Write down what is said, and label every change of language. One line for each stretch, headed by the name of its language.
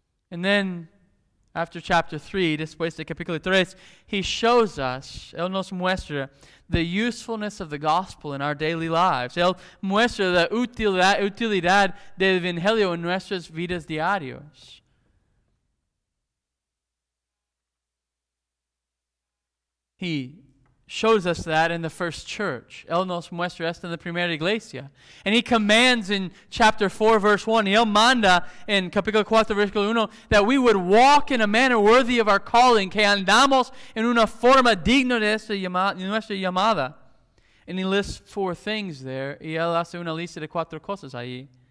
English: And then, after chapter 3,
Spanish: después de capítulo 3,
English: he shows us,
Spanish: él nos muestra,
English: the usefulness of the gospel in our daily lives.
Spanish: Él muestra la utilidad del evangelio en nuestras vidas diarias.
English: He shows us that in the first church.
Spanish: Él nos muestra esto en la primera iglesia.
English: And he commands in chapter 4, verse 1,
Spanish: y él manda en capítulo 4, versículo 1,
English: that we would walk in a manner worthy of our calling,
Spanish: que andamos en una forma digna de nuestra llamada.
English: And he lists four things there,
Spanish: y él hace una lista de cuatro cosas ahí.